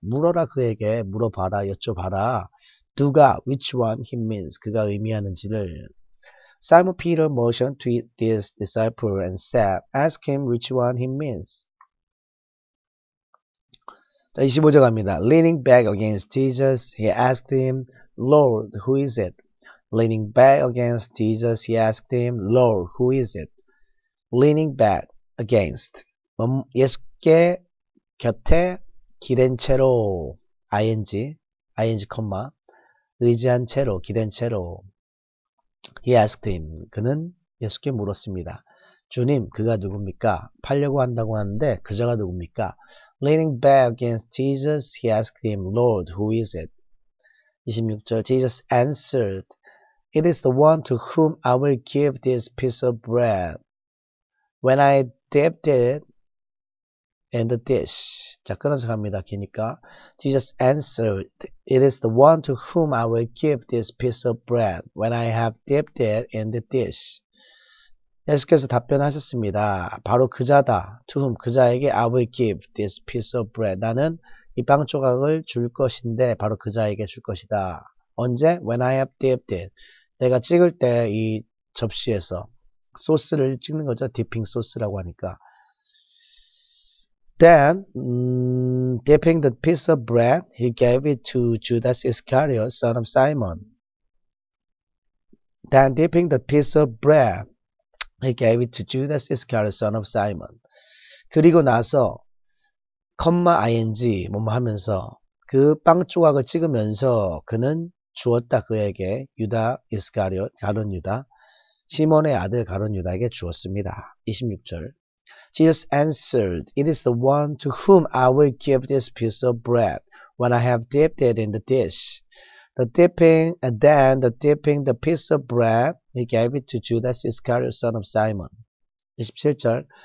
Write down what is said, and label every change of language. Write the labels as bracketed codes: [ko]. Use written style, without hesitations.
[ko] 물어라 그에게, 물어봐라, 여쭤봐라. 누가, [en] which one he means, [ko] 그가 의미하는지를. [en] Simon Peter motioned to this disciple and said, Ask him which one he means. [ko] 자, 25절 갑니다. [en] Leaning back against Jesus, he asked him, Lord, who is it? Leaning back against Jesus, he asked him, Lord, who is it? Leaning back against. [ko] 예수께 곁에 기댄 채로, ing, 콤마, 의지한 채로, 기댄 채로. [en] He asked him. [ko] 그는 예수께 물었습니다. 주님, 그가 누굽니까? 팔려고 한다고 하는데, 그자가 누굽니까? [en] Leaning back against Jesus, he asked him, Lord, who is it? 26절, Jesus answered, It is the one to whom I will give this piece of bread. When I dipped it in the dish. [ko] 자, 끊어서 갑니다. 기니까. [en] Jesus answered, It is the one to whom I will give this piece of bread when I have dipped it in the dish. [ko] 예수께서 답변하셨습니다. 바로 그자다. [en] To whom? [ko] 그자에게 [en] I will give this piece of bread. [ko] 나는 이 빵 조각을 줄 것인데 바로 그자에게 줄 것이다. 언제? [en] When I have dipped it. [ko] 내가 찍을 때 이 접시에서 소스를 찍는 거죠. 디핑 소스라고 하니까. [en] Then, dipping the piece of bread, he gave it to Judas Iscariot, son of Simon. Then, dipping the piece of bread, he gave it to Judas Iscariot, son of Simon. [ko] 그리고 나서, 컴마 ing, 뭐뭐 하면서, 그 빵 조각을 찍으면서, 그는 주었다, 그에게, 유다 이스카리오, 가룟 유다, 시몬의 아들 가룟 유다에게 주었습니다. 26절. [en] Jesus answered, It is the one to whom I will give this piece of bread when I have dipped it in the dish. The piece of bread, he gave it to Judas Iscariot, son of Simon. 27절.